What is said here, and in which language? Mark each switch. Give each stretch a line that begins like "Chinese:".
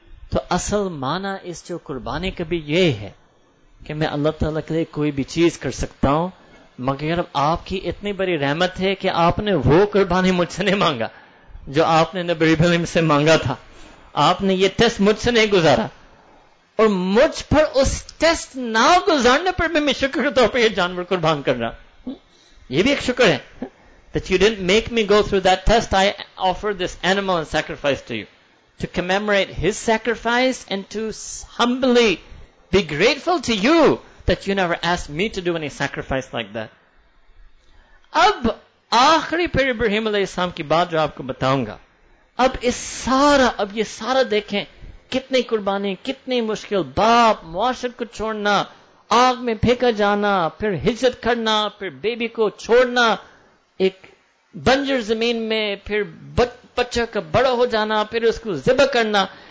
Urdu: تو اصل معنی اس جو قربانی کا بھی یہ ہے کہ میں اللہ تعالیٰ کے لیے کوئی بھی چیز کر سکتا ہوں, مگر آپ کی اتنی بڑی رحمت ہے کہ آپ نے وہ قربانی مجھ سے نہیں مانگا جو آپ نے نبی ابراہیم سے مانگا تھا. آپ نے یہ ٹیسٹ مجھ سے نہیں گزارا, اور مجھ پر اس ٹیسٹ نہ گزارنے پر میں شکر طور پر یہ جانور قربان کر رہا, یہ بھی ایک شکر ہے.
English: That you didn't make me go through that test, I offered this animal and sacrifice to you to commemorate his sacrifice and to humbly be grateful to you that you never asked me to do any sacrifice like that.
Urdu: اب آخری پھر ابراہیم علیہ السلام کی بات جو آپ کو بتاؤں گا, اب یہ سارا دیکھیں کتنی قربانی, کتنی مشکل, باپ معاشر کو چھوڑنا, آگ میں پھینکا جانا, پھر ہجرت کرنا, پھر بیبی کو چھوڑنا ایک بنجر زمین میں, پھر بچہ کا بڑا ہو جانا, پھر اس کو ذبح کرنا.